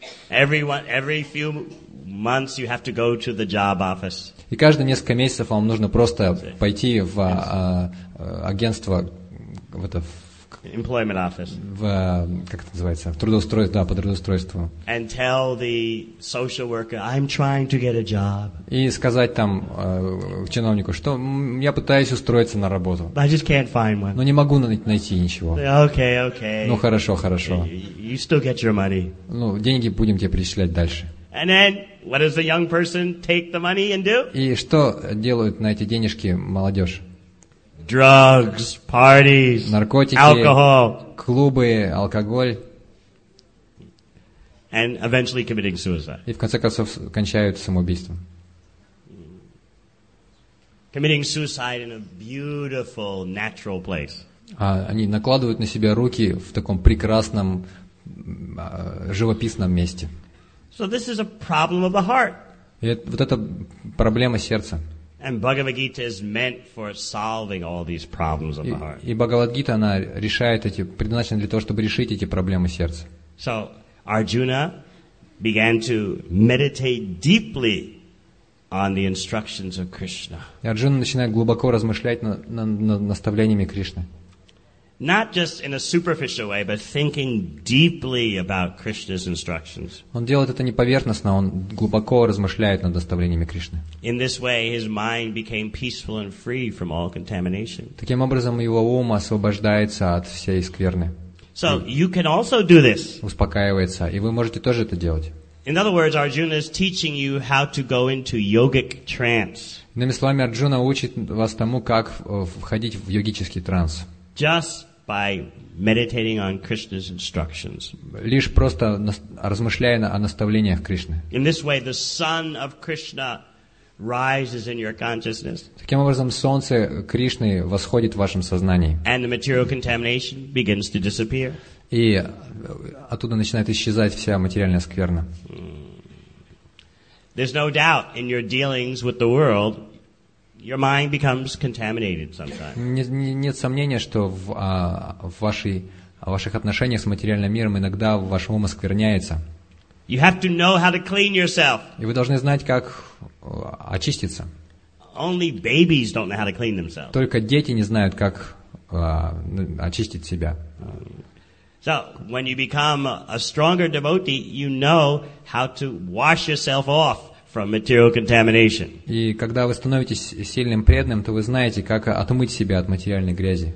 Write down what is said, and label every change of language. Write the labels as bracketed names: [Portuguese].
[English] Every few months you have to go to the job office. [Russian] И каждые несколько месяцев вам нужно просто пойти в агентство, в это, [English] employment office. [Russian] В как это называется? В трудоустройство, да, по трудоустройству. [English] And tell the social worker, I'm trying to get a job. [Russian] И сказать там чиновнику, что я пытаюсь устроиться на работу. [English] But I just can't find one. [Russian] Но не могу найти ничего. [English] Okay. [Russian] Ну хорошо. [English] You still get your money. [Russian] Ну деньги будем тебе перечислять дальше. [English] And then, what does the young person take the money and do? [Russian] И что делают на эти денежки молодежь? [English] Drugs, parties, [Russian] наркотики, [English] alcohol, [Russian] клубы, алкоголь. [English] And eventually committing suicide. [Russian] И в конце концов кончают самоубийством. [English] Committing suicide in a beautiful natural place. [Russian] Они накладывают на себя руки в таком прекрасном живописном месте. [English] So this is a problem of the heart. [Russian] Вот это проблема сердца. [English] And Bhagavad Gita is meant for solving all these problems of the heart. [Russian] И Бхагавад Гита она решает эти, предназначена для того, чтобы решить эти проблемы сердца. [English] So Arjuna began to meditate deeply on the instructions of Krishna. [Russian] И Арджуна начинает глубоко размышлять над наставлениями Кришны. [English] Not just in a superficial way, but thinking deeply about Krishna's instructions. [Russian] Он делает это не поверхностно, он глубоко размышляет над наставлениями Кришны. [English] In this way, his mind became peaceful and free from all contamination. [Russian] Таким образом, его ум освобождается от всей скверны. [English] So you can also do this. [Russian] Успокаивается, и вы можете тоже это делать. [English] In other words, Arjuna is teaching you how to go into yogic trance. [Russian] Иными словами, Арджуна учит вас тому, как входить в йогический транс. [English] Just by meditating on Krishna's instructions. [Russian] Лишь просто размышляя о наставлениях Кришны. [English] In this way, the sun of Krishna rises in your consciousness. [Russian] Таким образом, солнце Кришны восходит в вашем сознании. [English] And the material contamination begins to disappear. [Russian] И оттуда начинает исчезать вся материальная скверна. [English] There's no doubt in your dealings with the world. Your mind becomes contaminated sometimes. [Russian] Нет сомнения, что в ваших отношениях с материальным миром иногда ваш ум оскверняется. [English] You have to know how to clean yourself. [Russian] И вы должны знать, как очиститься. [English] Only babies don't know how to clean themselves. [Russian] Только дети не знают, как очистить себя. [English] So when you become a stronger devotee, you know how to wash yourself off from material contamination. [Russian] И когда вы становитесь сильным преданным, то вы знаете, как отмыть себя от материальной грязи.